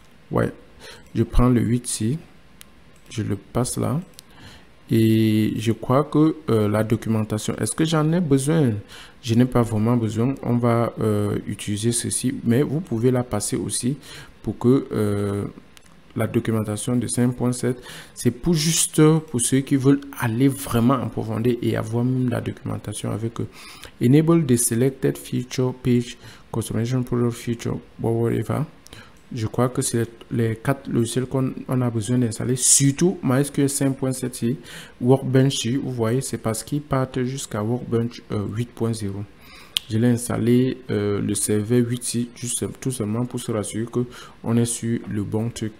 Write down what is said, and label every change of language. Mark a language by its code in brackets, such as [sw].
[fr] Ouais, je prends le 8 ici, je le passe là, et je crois que la documentation, est-ce que j'en ai besoin? Je n'ai pas vraiment besoin, on va utiliser ceci, mais vous pouvez la passer aussi pour que la documentation de 5.7, c'est pour juste pour ceux qui veulent aller vraiment en profondeur et avoir même la documentation avec eux. [en] Enable the selected feature page, customization product feature, whatever. [fr] Je crois que c'est les quatre logiciels qu'on a besoin d'installer. Surtout MySQL 5.7, Workbench, vous voyez, c'est parce qu'ils partent jusqu'à Workbench 8.0. Je l'ai installé le serveur 8, juste tout simplement pour se rassurer que on est sur le bon truc.